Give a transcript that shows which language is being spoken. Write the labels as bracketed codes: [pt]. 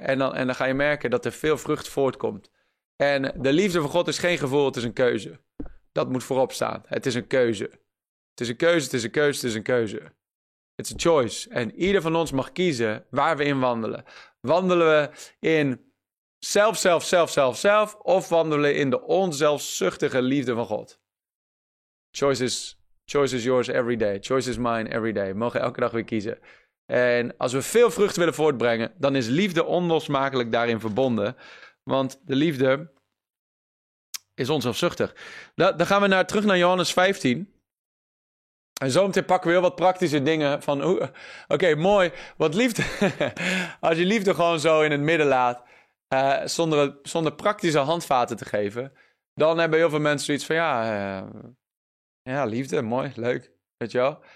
[nl] En dan ga je merken dat er veel vrucht voortkomt. En de liefde van God is geen gevoel, het is een keuze. Dat moet voorop staan. Het is een keuze. Het is een keuze, het is een keuze, het is een keuze. [en] It's a choice. [nl] En ieder van ons mag kiezen waar we in wandelen. Wandelen we in zelf, of wandelen we in de onzelfzuchtige liefde van God? [en] Choice is yours every day. Choice is mine every day. [nl] We mogen elke dag weer kiezen. En als we veel vrucht willen voortbrengen, dan is liefde onlosmakelijk daarin verbonden. Want de liefde is onzelfzuchtig. Dan gaan we terug naar Johannes 15. En zo meteen pakken we heel wat praktische dingen van, oké, mooi, want liefde, als je liefde gewoon zo in het midden laat, zonder praktische handvaten te geven, dan hebben heel veel mensen zoiets van, ja, liefde, mooi, leuk, weet je wel.